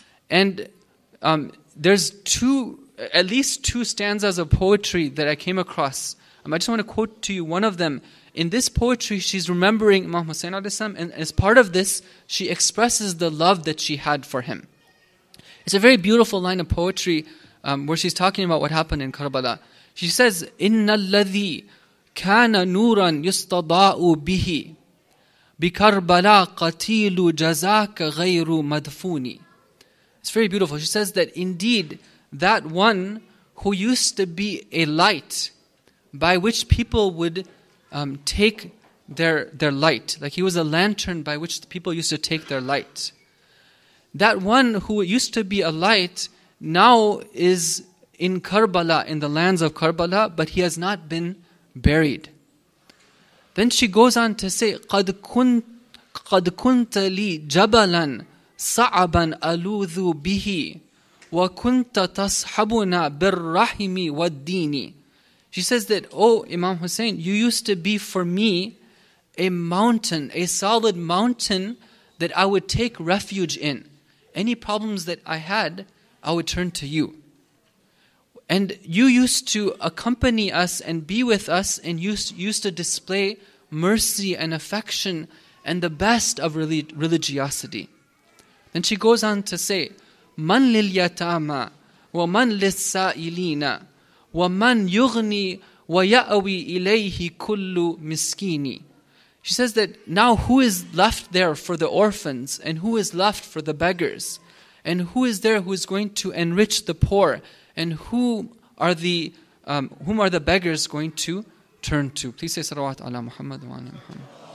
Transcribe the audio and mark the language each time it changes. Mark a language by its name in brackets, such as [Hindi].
[English] And there's at least two stanzas of poetry that I came across. I just want to quote to you one of them. In this poetry, she's remembering Imam Hussein alayhi salam, and as part of this, she expresses the love that she had for him. It's a very beautiful line of poetry where she's talking about what happened in Karbala. She says, [Arabic] إِنَّ الَّذِي كَانَ نُورًا يُسْتَضَاءُ بِهِ بِكَرْبَلَا قَتِيلُ جَزَاكَ غَيْرُ مَدْفُونِ. [English] It's very beautiful. She says that indeed, that one who used to be a light by which people would take their light, like he was a lantern by which the people used to take their light, that one who used to be a light now is in Karbala, in the lands of Karbala, but he has not been buried. Then she goes on to say, [Arabic] قَدْ كُنْتَ لِي جَبَلًا صَعَبًا أَلُوذُ بِهِ وَكُنْتَ تَصْحَبُنَا بِالرَّحِمِ وَالدِّينِ. [English] She says that, oh Imam Hussein, you used to be for me a mountain, a solid mountain that I would take refuge in. Any problems that I had, I would turn to you. And you used to accompany us and be with us, and used to display mercy and affection and the best of religiosity. Then she goes on to say, [Arabic] مَنْ لِلْيَتَامَ وَمَنْ لِلسَّائِلِينَ وَمَنْ يُغْنِي وَيَأَوِي إِلَيْهِ كُلُّ مِسْكِينِ. [English] She says that now who is left there for the orphans, and who is left for the beggars, and who is there who is going to enrich the poor, and who are the whom are the beggars going to turn to? Please say salawat ala Muhammad wa ala Muhammad.